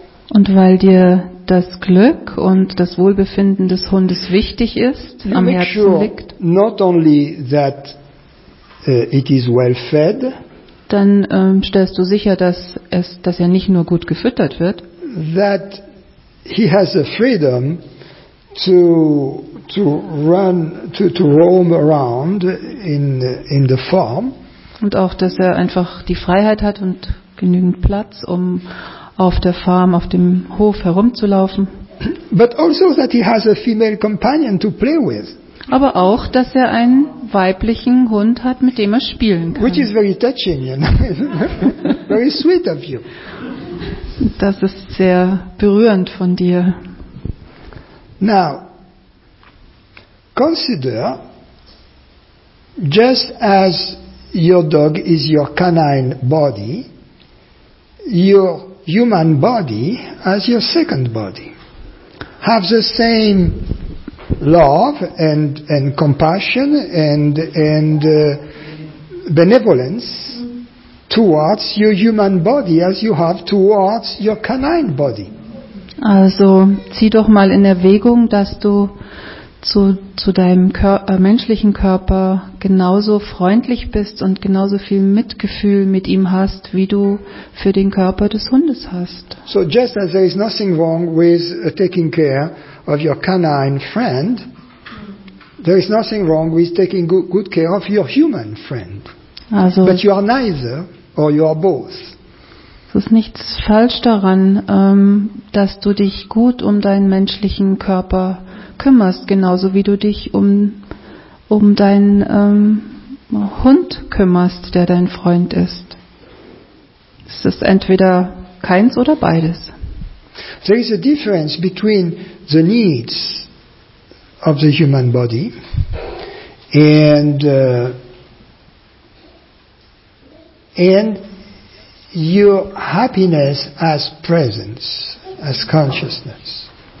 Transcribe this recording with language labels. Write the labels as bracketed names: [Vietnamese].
[German] Und weil dir das Glück und das Wohlbefinden des Hundes wichtig ist, am Herzen liegt. [English] Not only that it is well fed. [German] Dann stellst du sicher, dass er nicht nur gut gefüttert wird. [English] That he has the freedom to roam around in the farm. [German] Und auch, dass er einfach die Freiheit hat und genügend Platz, um auf der Farm, auf dem Hof herumzulaufen. [English] But also that he has a female companion to play with. [German] Aber auch, dass er einen weiblichen Hund hat, mit dem er spielen kann. [English] Which is very touching, you know? Very sweet of you. [German] Das ist sehr berührend von dir. [English] Now, consider, just as your dog is your canine body, your human body as your second body. Have the same love and compassion and benevolence towards your human body as you have towards your canine body. [German] Also zieh doch mal in Erwägung, dass du zu deinem menschlichen Körper genauso freundlich bist und genauso viel Mitgefühl mit ihm hast, wie du für den Körper des Hundes hast. [English] So just as there is nothing wrong with taking care of your canine friend, there is nothing wrong with taking good care of your human friend. [German] Also, [English] but you are neither or you are both. [German] Es ist nichts falsch daran, dass du dich gut um deinen menschlichen Körper kümmerst, genauso wie du dich um deinen Hund kümmerst, der dein Freund ist. Es ist entweder keins oder beides. [English] There is a difference between the needs of the human body and your happiness as presence, as consciousness.